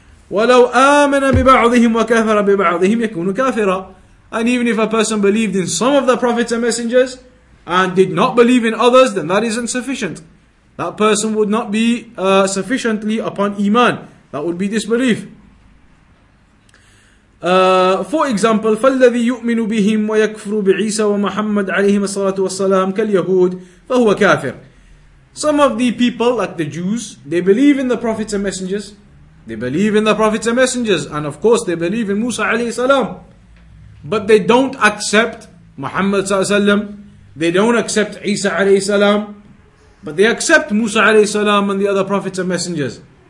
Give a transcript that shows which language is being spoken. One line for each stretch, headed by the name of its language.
Arabic: وَلَوْ آمَنَ بِبَعْضِهِمْ وَكَفَرَ بِبَعْضِهِمْ يَكُونُ كَافِرًا
English: And even if a person believed in some of the prophets and messengers, and did not believe in others, then that isn't sufficient. that person would not be sufficiently upon iman. That would be disbelief. For example,
Arabic: فالذي يؤمن بهم ويكفر بعيسى ومحمد عليهم الصلاة والسلام كاليهود فهو كافر.
English: Some of the people, like the Jews, they believe in the prophets and messengers. They believe in the prophets and messengers, and of course, they believe in Musa alayhi salam. But they don't accept Muhammad sallallahu alayhi wasallam. They don't accept Isa alayhi salam. But they accept Musa alayhi salam and the other prophets and messengers.